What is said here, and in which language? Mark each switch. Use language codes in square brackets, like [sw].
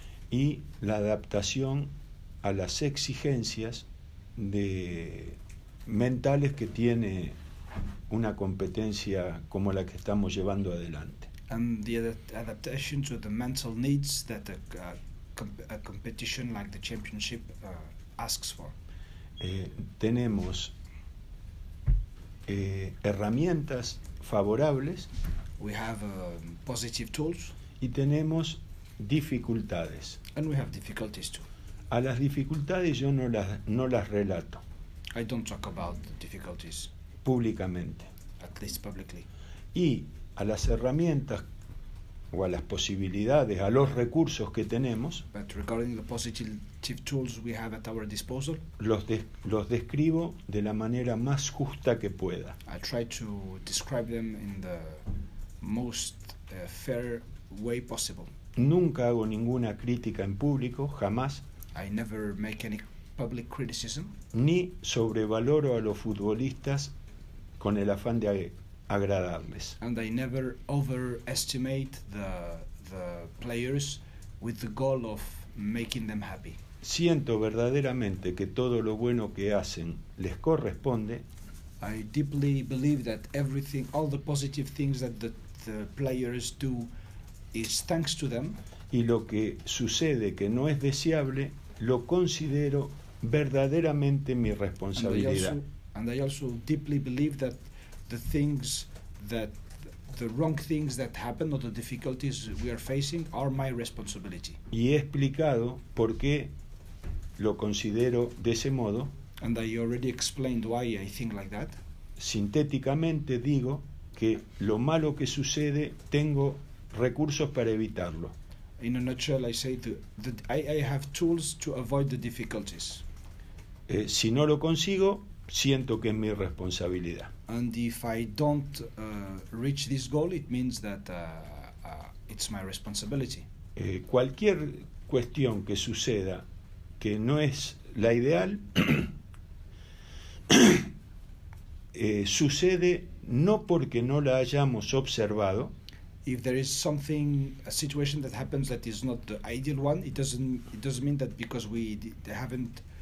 [es] y la adaptación a las exigencias de mentales que tiene una competencia como la que estamos llevando adelante. [en] And the adaptation to the mental needs that a competition like the championship asks for. [es] Tenemos herramientas favorables. [en] We have positive tools. [es] Y tenemos dificultades. [en] And we have difficulties too. [es] A las dificultades yo no las relato. [en] I don't talk about the difficulties. [es] Públicamente. [en] At least publicly. [es] Y a las herramientas o a las posibilidades, a los recursos que tenemos, [en] but regarding the positive tools we have at our disposal, [es] los describo de la manera más justa que pueda. [en] I try to describe them in the most fair way possible. [es] Nunca hago ninguna crítica en público, jamás. [en] I never make any public criticism. [es] Ni sobrevaloro a los futbolistas con el afán de agradarles. [en] And I never overestimate the players with the goal of making them happy. [es] Siento verdaderamente que todo lo bueno que hacen les corresponde. [en] I deeply believe that everything, all the positive things that the players do is thanks to them. [es] Y lo que sucede que no es deseable lo considero verdaderamente mi responsabilidad. [en] And I also deeply believe that the wrong things that happen or the difficulties we are facing are my responsibility. [es] Y he explicado por qué lo considero de ese modo. [en] And I already explained why I think like that. [es] Sintéticamente digo que lo malo que sucede tengo recursos para evitarlo. [en] In a nutshell, I say that I have tools to avoid the difficulties. [es] Si no lo consigo, siento que es mi responsabilidad. [en] And if I don't reach this goal, it means that it's my responsibility. [es] Cualquier cuestión que suceda que no es la ideal, sucede no porque no la hayamos observado. [en] If there is something, a situation that happens that is not the ideal one, it doesn't mean that because we haven't